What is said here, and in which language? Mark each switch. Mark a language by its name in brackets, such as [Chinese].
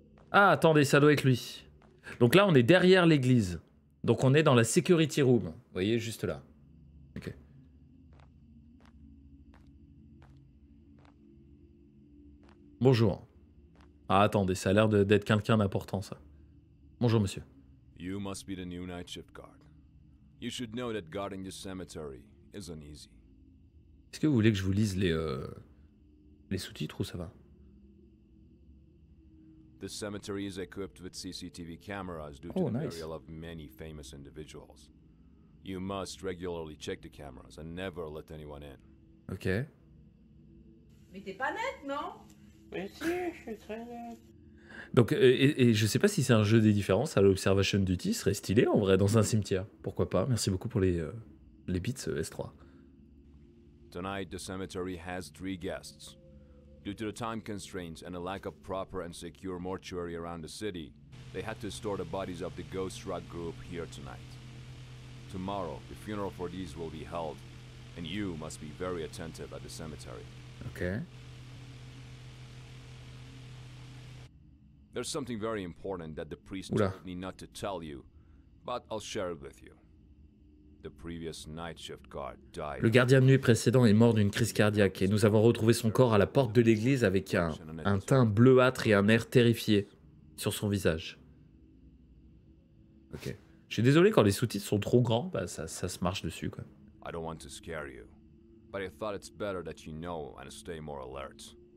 [French] Ah, attendez, ça doit être lui. Donc là, on est derrière l'église. Donc on est dans la security room. Vous voyez, juste là. Ok. Bonjour. Ah, attendez, ça a l'air d'être quelqu'un d'important, ça. Bonjour, monsieur. [English] You must be the new night shift guard. You should know that guarding the cemetery isn't easy. [French] Est-ce que vous voulez que je vous lise les sous-titres ou ça va? [English] The cemetery is equipped with CCTV cameras due to the burial of many famous individuals. You must regularly check the cameras and never let anyone in. Ok. [French] Mais t'es pas net, non? Mais si, je suis très net. Donc, et je sais pas si c'est un jeu des différences, à l'Observation Duty serait stylé en vrai dans un cimetière. Pourquoi pas? Merci beaucoup pour les bits S3. [English] Tonight, the cemetery has three guests. Due to the time constraints and a lack of proper and secure mortuary around the city, they had to store the bodies of the Ghost Rock group here tonight. Tomorrow, the funeral for these will be held, and you must be very attentive at the cemetery. Okay. There's something very important that the priest told me not to tell you, but I'll share it with you. The previous night shift guard died. [French] Le gardien de nuit précédent est mort d'une crise cardiaque et nous avons retrouvé son corps à la porte de l'église avec un teint bleuâtre et un air terrifié sur son visage. Ok. Je suis désolé quand les sous-titres sont trop grands, bah ça se marche dessus quoi. [English] I don't want to scare you, but I thought it's better that you know and stay more alert.